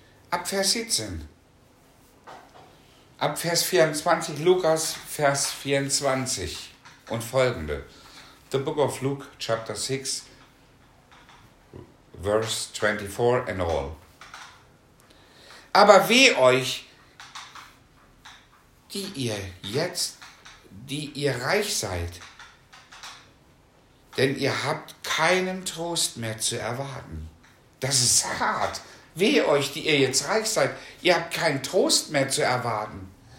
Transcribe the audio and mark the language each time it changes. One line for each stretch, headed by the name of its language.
German: Ab Vers 17. Ab Vers 24, Lukas, Vers 24 und folgende.
English: The Book of Luke, Chapter 6, Verse 24 and all.
German: Aber weh euch, die ihr jetzt, die ihr reich seid, denn ihr habt keinen Trost mehr zu erwarten. Das ist hart. Weh euch, die ihr jetzt reich seid, ihr habt keinen Trost mehr zu erwarten.